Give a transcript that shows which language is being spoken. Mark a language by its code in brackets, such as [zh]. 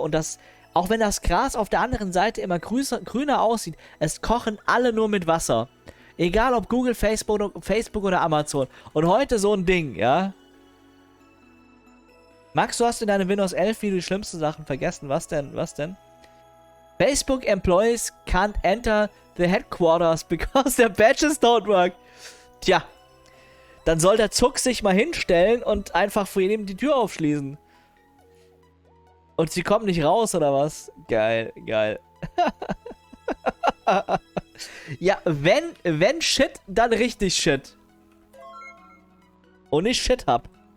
[de] Und das, auch wenn das Gras auf der anderen Seite immer grüner aussieht, es kochen alle nur mit Wasser. Egal ob Google, Facebook oder Amazon. Und heute so ein Ding, ja? Max, du hast in deinem Windows 11 Video die schlimmsten Sachen vergessen. Was denn? [en] Facebook Employees can't enter the headquarters because their badges don't work. [de] Tja. Dann soll der Zuck sich mal hinstellen und einfach vor jedem die Tür aufschließen. Und sie kommen nicht raus, oder was? Geil. Ja, wenn Shit, dann richtig Shit. Und ich Shit hab.